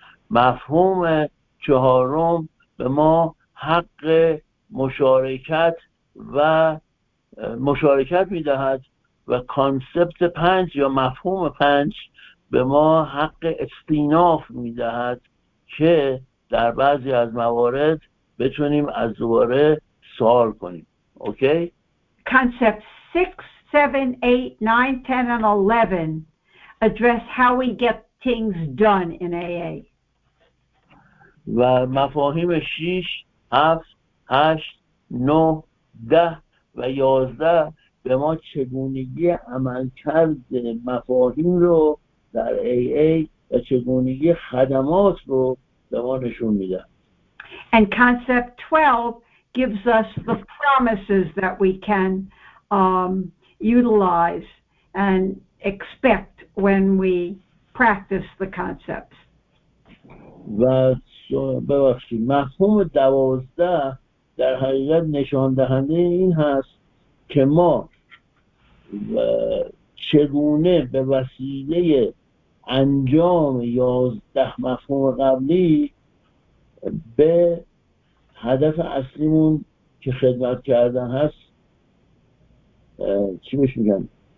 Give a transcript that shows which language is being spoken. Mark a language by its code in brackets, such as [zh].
[fa] مفهوم چهارم به ما حق مشارکت و مشارکت میدهد و کانسپت پنج یا مفهوم پنج به ما حق استیناف میدهد که در بعضی از موارد بتونیم از دوباره سوال کنیم. اوکی؟ [en] Concept 6, 7, 8, 9, 10, and 11 address how we get things done in AA. [fa] و مفاهیم 6, 7, 8, 9, 10 و 11 به ما چگونگی عملکرد مفاهیم رو در AA و چگونگی خدمات رو به ما نشون میده. [en] And concept 12 gives us the promises that we can utilize and expect when we practice the concepts. [fa] و ببخشید مفهوم 12 در حقیقت نشان دهنده این هست که ما چگونه به وسیله انجام 11 مفهوم قبلی به هدف اصلیمون که خدمت کردن هست چی بهش میگن